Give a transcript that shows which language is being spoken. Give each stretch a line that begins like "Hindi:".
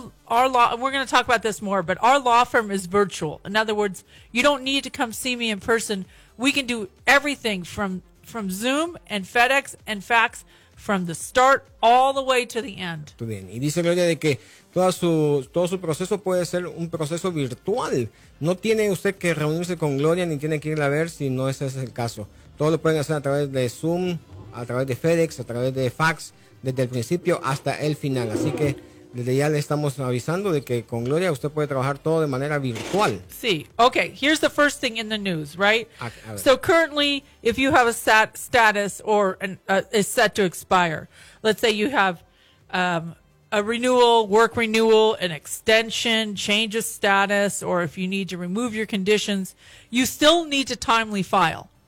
English: Our law, we're going to talk about this more, but our law firm is virtual. In other words, you don't need to come see me in person. We can do everything from Zoom and FedEx and fax from the start all the way to the end.
Spanish: Y dice Gloria de que todo su proceso puede ser un proceso virtual. No tiene usted que reunirse con Gloria ni tiene que irla a ver si no ese es el caso. Todo lo pueden hacer a través de Zoom, a través de FedEx, a través de fax, desde el principio hasta el final. Así que desde ya le estamos avisando de que con Gloria usted puede trabajar todo de manera virtual. Sí.
English: Okay, here's the first thing in the news, right? So currently, if you have a SAT status or is set to expire, let's say you have a renewal, work renewal, an extension, change of status, or if you need to remove your conditions, you still need to timely file.